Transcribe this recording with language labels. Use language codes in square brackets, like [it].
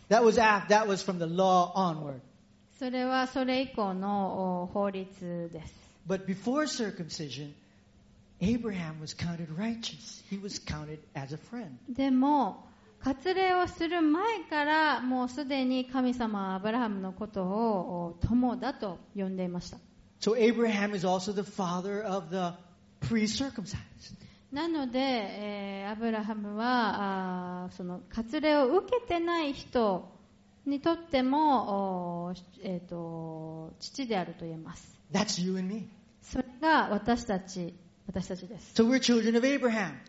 [en] That was after, that was from the law onward. [ja] それはそれ以降の法律です。 [en] But before circumcision, Abraham was counted righteous. He was counted as a friend. [ja] でも割礼をする前からもうすでに神様はアブラハムのことを友だと呼んでいました。 [en] So Abraham is also the father of the pre-circumcised. [ja] なので、アブラハムはその割礼を受けてない人にとっても、父であると言えます。 [en] That's you and me. [ja] それが私たちです。 [en] So we're children of Abraham.